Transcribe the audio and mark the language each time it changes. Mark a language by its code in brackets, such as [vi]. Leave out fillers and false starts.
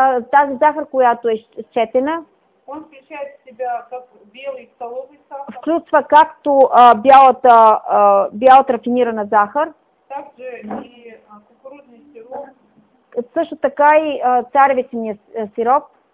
[bg] тази захар, която е счетена, [ru] он включает в себя как белый столовый сахар. [bg] Включва както бялата рафинирана захар. [ru] Также и кукурузный сироп. [bg] Също така и царевичният сироп.